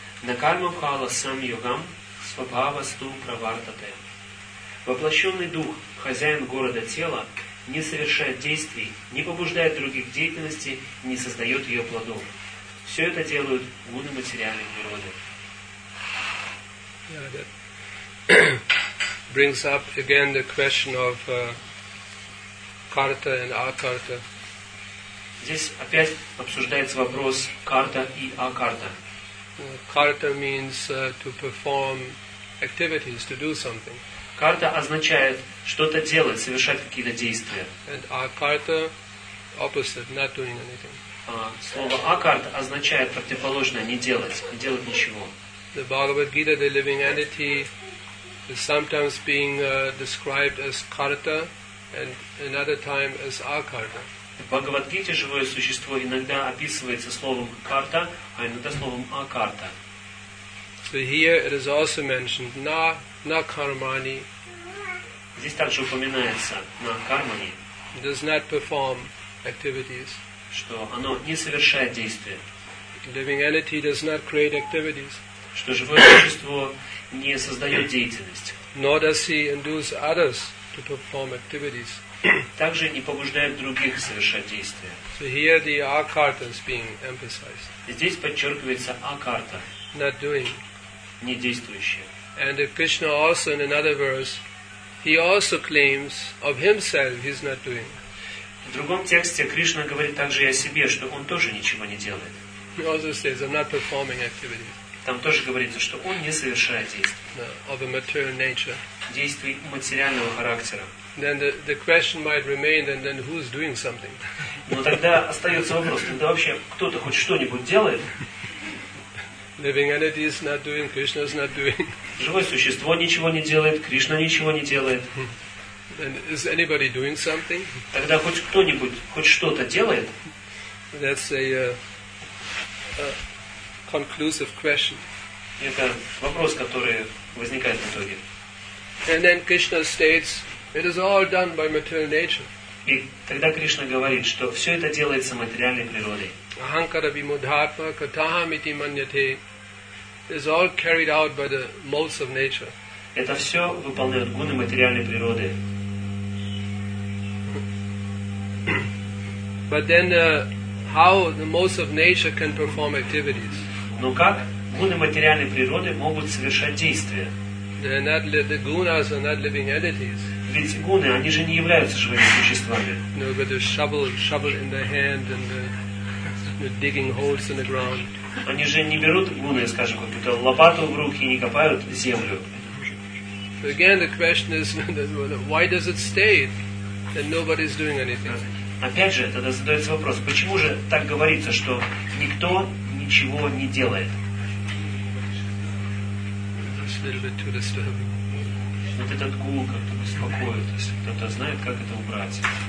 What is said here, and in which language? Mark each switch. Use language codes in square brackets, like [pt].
[sa] Накарма пхала сам йогам свабхава сту правартате. [ru] Воплощенный дух, хозяин города тела, не совершает действий, не побуждает других к деятельности, не создает ее плодов. Все это делают гуны материальной природы. [en] Yeah, that brings up again the question of karta and akarta. [ru] Здесь опять обсуждается вопрос карта и акарта. [en] Karta means to perform activities, to do something. [ru] Карта означает что-то делать, совершать какие-то действия. [en] And akarta, opposite, not doing anything. [ru] Слово akarta означает противоположное, не делать, не делать ничего. [en] The Bhagavad Gita, the living entity, is sometimes being described as karta, and another time as akarta. [ru] В Бхагавад-гите живое существо иногда описывается словом «карта», а иногда словом «акарта». [en] So here it is also mentioned «на», «на кармани». [ru] Здесь также упоминается «на кармани». [en] It does not perform activities. [ru] Что оно не совершает действия. [en] Living entity does not create activities. [ru] Что живое существо не создает деятельность. [en] Nor does he induce others to perform activities. [ru] Также не побуждает других совершать действия. [en] So here the akarta is being emphasized. [ru] Здесь подчеркивается акарта. [en] Not doing. [ru] Не действующая. [en] And if Krishna also in another verse, he also claims of himself he's not doing. [ru] В другом тексте Кришна говорит также и о себе, что он тоже ничего не делает. [en] He also says I'm not performing activities. [ru] Там тоже говорится, что он не совершает действий. [en] No, of a material nature. [ru] Действий материального характера. [en] Then the question might remain, and then who's doing something? [ru] Но тогда остается вопрос, тогда вообще кто-то хоть что-нибудь делает? [en] Living entity is not doing, Krishna's not doing. [ru] Живое существо ничего не делает, Кришна ничего не делает. [en] Then is anybody doing something? [ru] Тогда хоть кто-нибудь хоть что-то делает? [en] That's a conclusive question. [ru] Это вопрос, который возникает в итоге. [en] And then Krishna states, it is all done by material nature. [ru] И тогда Кришна говорит, что все это делается материальной природой. [sa] Ахамкара вимудхатма катахам ити маньяте. [en] It is all carried out by the modes of nature. [ru] Это все выполняют гуны материальной природы. [en] But then, how the modes of nature can perform activities? [ru] Но как гуны материальной природы могут совершать действия? [en] They're not the gunas are not living entities. [ru] Ведь гуны, они же не являются живыми существами. [en] No, but the shovel in their hand and the digging holes in the ground. [ru] Они же не берут гуны, скажем, какую-то лопату в руки и не копают землю. [en] So again, the question is, why does it stay that nobody is doing anything? [ru] Опять же, тогда задается вопрос, почему же так говорится, что никто ничего не делает? Вот этот гул как-то беспокоит, если кто-то знает, как это убрать.